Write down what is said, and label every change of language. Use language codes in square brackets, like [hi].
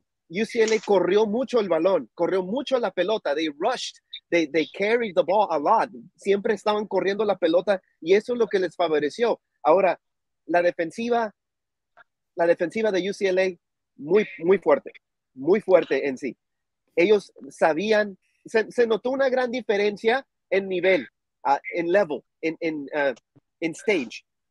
[es] UCLA corrió mucho el balón, corrió mucho la pelota. [en] They rushed, they carried the ball a lot. [es] Siempre estaban corriendo la pelota y eso es lo que les favoreció. Ahora, la defensiva de UCLA, muy fuerte en sí. Ellos sabían, se notó una gran diferencia en nivel, en level, en stage.